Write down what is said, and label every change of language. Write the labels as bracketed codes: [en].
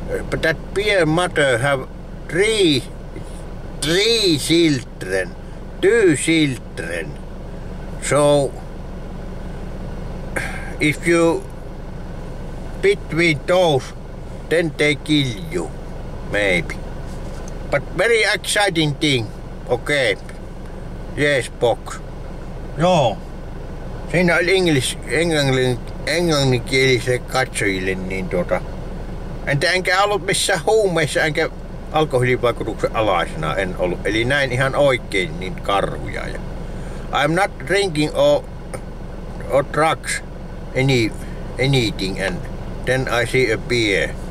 [en] But that bear mother have three children, two children. So if you between those, then they kill you, maybe. But very exciting thing, okay. Yes, box. No. [fi] Siinä oli englanninkielisille katsojille, niin entä enkä ollut missään huumeissa, enkä alkoholivaikutuksen alaisena en ollut. Eli näin ihan oikein niin karhuja. [en] Ja, I'm not drinking or drugs, anything, and then I see a beer.